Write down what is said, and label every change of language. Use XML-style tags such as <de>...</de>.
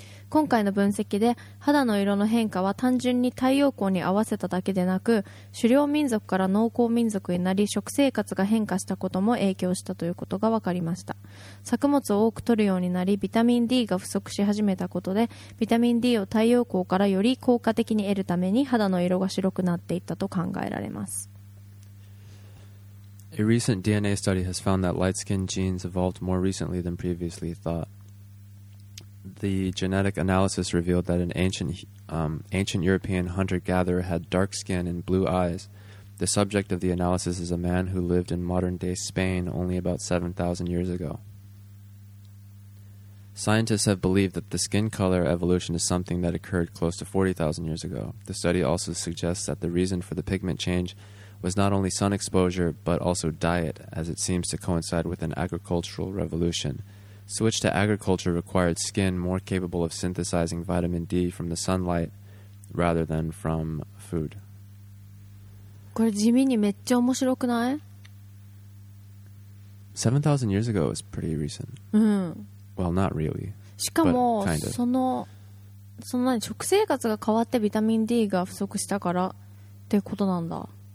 <ja>今回の分析で肌の色の変化は単純に太陽光に合わせただけでなく狩猟民族から農耕民族になり食生活が変化したことも影響したということが分かりました。作物を多く摂るようになりビタミン D が不足し始めたことでビタミン D を太陽光からより効果的に得るために肌の色が白くなっていったと考えられます。</ja> <en>A recent DNA study has found that light skin genes evolved more recently than previously thought. The genetic analysis revealed that an ancient European hunter-gatherer had dark skin and blue eyes. The subject of the analysis is a man who lived in modern-day Spain only about 7,000 years ago. Scientists have believed that the skin color evolution is something that occurred close to 40,000 years ago. The study also suggests that the reason for the pigment change was not only sun exposure, but also diet, as it seems to coincide with an agricultural revolution. Switch to agriculture required skin more capable of synthesizing vitamin D from the sunlight rather than from food.</en> <ja>これ地味にめっちゃ面白くない?</ja> <en>7,000 years ago is pretty recent. Well, not really.</en> <ja>しかも、その何、食生活が変わってビタミン D が不足したからってことなんだ。</ja>